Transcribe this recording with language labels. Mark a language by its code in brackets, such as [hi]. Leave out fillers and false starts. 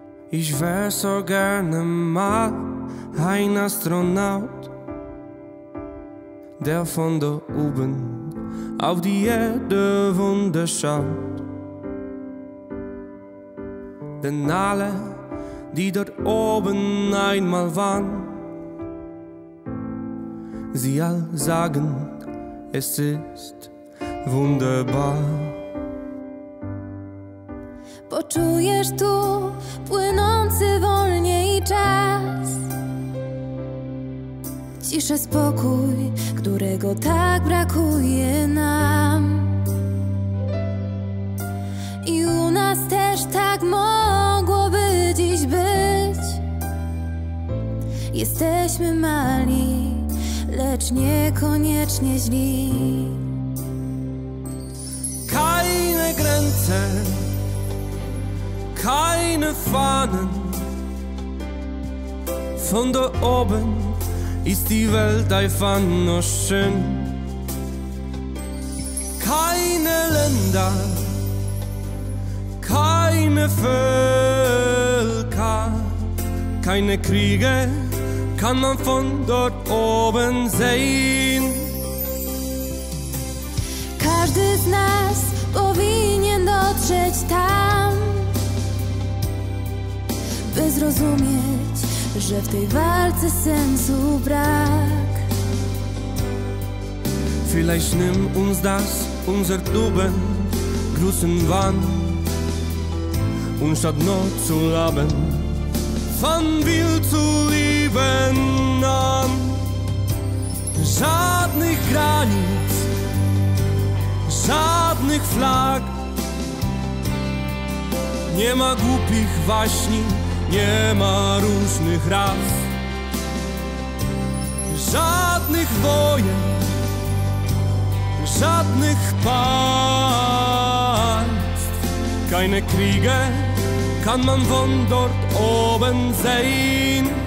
[de] Ich wär so gerne mal ein Astronaut, der von da oben auf die Erde wunderschaut. Denn alle, die dort oben einmal waren, sie all sagen, es ist wunderbar. [pl] Poczujesz tu płynący wolniej czas, ciszę, spokój, którego tak brakuje nam. I u nas też tak mogłoby dziś być. Jesteśmy mali, lecz niekoniecznie źli. [de] Keine Grenze, keine Fahnen, von da oben ist die Welt einfach nur schön. Keine Länder, keine Völker, keine Kriege kann man von dort oben sehen. [pl] Każdy z nas powinien dotrzeć tam, by zrozumieć, że w tej walce sensu brak. [de] Vielleicht nimmt uns das unser Leben großen Wahn und statt nur zu leben, fangen wir zu lieben an. [pl] Żadnych granic, żadnych flag, nie ma głupich waśni, nie ma różnych ras, żadnych wojen, żadnych państw. [de] Keine Kriege kann man von dort oben sehen.